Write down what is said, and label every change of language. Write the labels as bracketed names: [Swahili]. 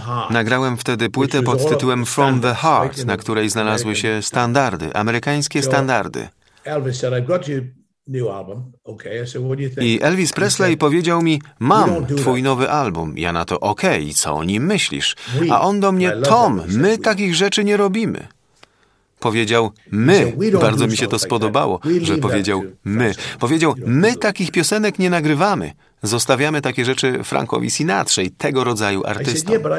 [Polish] Nagrałem wtedy płytę pod tytułem From the Heart, na której znalazły się standardy, amerykańskie standardy. [English] Elvis said, I've got you new album. Okay. I said, what do you think? [Polish] I Elvis Presley powiedział mi, mam twój nowy album. Ja na to, okej, co o nim myślisz? A on do mnie, Tom, my takich rzeczy nie robimy. Powiedział, my, bardzo mi się to spodobało, że powiedział, my. Powiedział, my takich piosenek nie nagrywamy. Zostawiamy takie rzeczy Frankowi Sinatrze i tego rodzaju artystom.